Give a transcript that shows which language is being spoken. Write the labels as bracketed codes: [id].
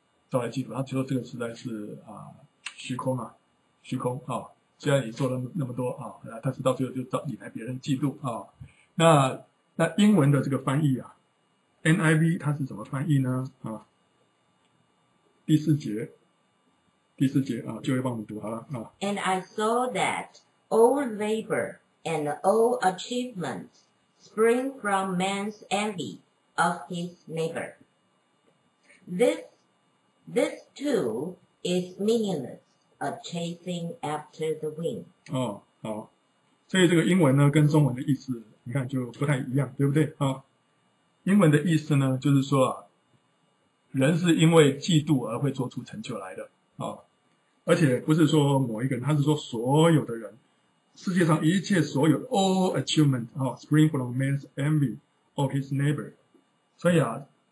[zh] 招来嫉妒，他觉得这个实在是虚空啊，虚空啊！虽然你做了那么多啊，但是到最后就招引来别人嫉妒啊。那英文的这个翻译啊 ，NIV 它是怎么翻译呢？啊，第四节啊，就会帮我们读好了啊。 [en] And I saw that all labor and all achievements spring from man's envy of his neighbor. This too is meaningless, a chasing after the wind. [zh] 哦，好，所以这个英文呢，跟中文的意思，你看就不太一样，对不对？啊，英文的意思呢，就是说啊，人是因为嫉妒而会做出成就来的啊，而且不是说某一个人，他是说所有的人，世界上一切所有的 all achievement 啊 ， [en] spring from man's envy of his neighbor. [zh] 所以啊。